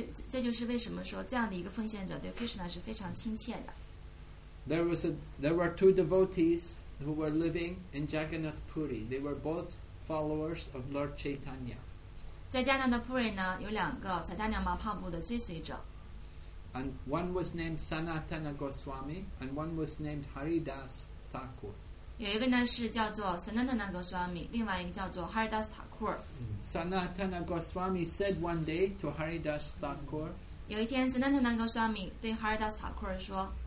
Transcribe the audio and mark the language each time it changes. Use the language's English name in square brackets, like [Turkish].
[Chinese] 这就是为什么说这样的一个奉献者对 Krishna 是非常亲切的。 [English] There were two devotees who were living in Jagannath Puri. They were both followers of Lord Chaitanya. [Chinese] 在加拿大普瑞呢，有两个彩达娘马帕布的追随者。 [English] And one was named Sanatana Goswami, and one was named Haridas Thakur. [Chinese] 有一个呢是叫做 Sanatana Goswami， 另外一个叫做 Haridas Thakur。 [English] Sanatana Goswami said one day to Haridas Thakur. [Chinese] 有一天 ，Sanatana Goswami 对 Haridas Thakur 说